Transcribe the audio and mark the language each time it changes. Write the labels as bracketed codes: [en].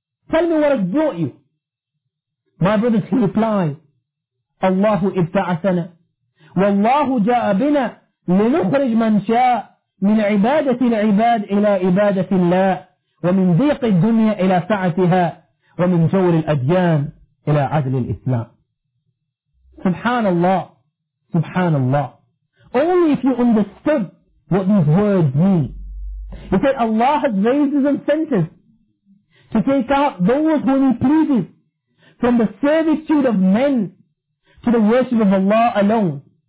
[en] Tell me what has brought you. My brothers, he replies, [ar] "Allahu ibta'athana wa Allahu ja'a bina linukhrij man sha'a min ibadati al-ibad ila ibadati Allah. ومن ضيق الدنيا إلى سعتها ومن جور الأديان إلى عدل الإسلام. سبحان الله سبحان الله. [en] Only if you understood what these words mean. He said Allah has raised his incentive to take out those whom he pleases from the servitude of men to the worship of Allah alone.